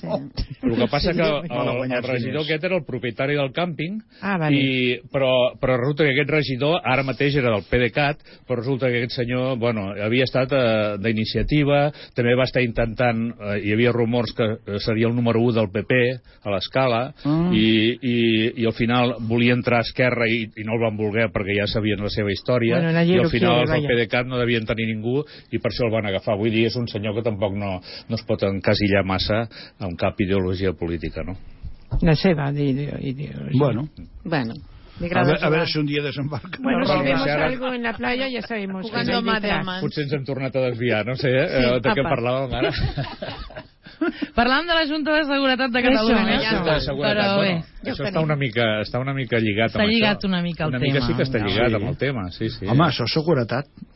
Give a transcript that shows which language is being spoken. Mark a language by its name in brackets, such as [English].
[Catalan] El que passa que el regidor aquest era el propietari del càmping, però resulta que aquest regidor ara mateix era del PDeCAT, però resulta que aquest senyor, bueno, havia estat d'iniciativa, també va estar intentant, hi havia rumors que seria el número 1 del PP a l'escala, i al final volia entrar a Esquerra i no el van voler perquè ja sabien la seva història, bueno, i al final els del PDeCAT no devien tenir ningú i per això el van agafar. Vull dir, és un senyor que tampoc no es pot encasillar massa amb cap ideologia política, no? La seva ideologia. Bueno. A veure si un dia desembarca. [Spanish] Bueno, si vemos algo en la playa, ya sabemos. Jugando mà de amants. [Catalan] Potser ens hem tornat a desviar, no sé, sí, de què parlàvem ara. Parlant de la Junta de Seguretat de Catalunya. Això, això està una mica lligat amb això. S'ha lligat una mica al tema. Una mica sí que està lligat amb el tema, sí, sí. Home, això és seguretat.